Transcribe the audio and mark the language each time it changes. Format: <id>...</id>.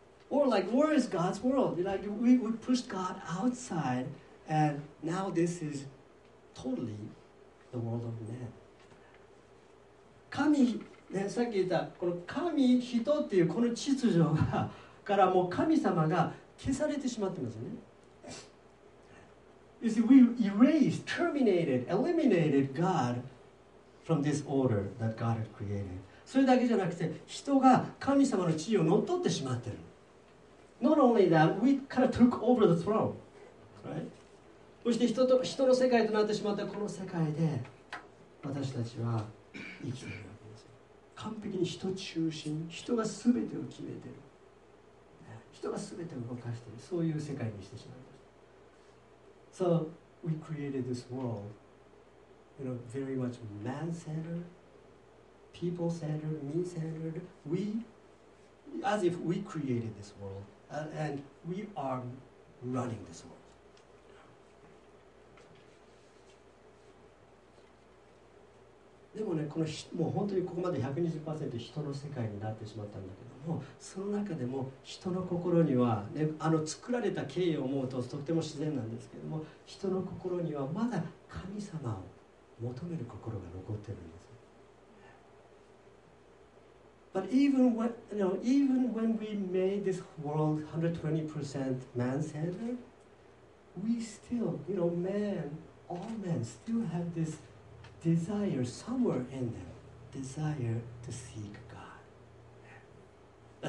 <en>Or like, where is God's world? Like, we pushed God outside and now this is totally the world of man.</en> <ja>神、ね、さっき言ったこの神、人っていうこの秩序がからもう神様が消されてしまってますよね。</ja> <en>You see, we erased, terminated, eliminated God from this order that God had created.</en> <ja>それだけじゃなくて、人が神様の地位を乗っ取ってしまってる。</ja> <en>Not only that, we kind of took over the throne, right?</en> <ja>そして人の世界となってしまったこの世界で、私たちは生きているわけですよ。完璧に人中心、人が全てを決めてる。人が全てを動かしている、そういう世界にしてしまいました。</ja> <en>So, we created this world, you know, very much man-centered, people-centered, me-centered. We, as if we created this world, and we are running this world.</en> <ja>でもね、このもう本当にここまで 120% 人の世界になってしまったんだけど、もうその中でも人の心には、ね、あの作られた経緯を思うととっても自然なんですけども、人の心にはまだ神様を求める心が残ってるんです。</ja> <en>But even when we made this world 120% man-centered, we still, you know, man, all men still have this desire somewhere in them, desire to seek God.</en>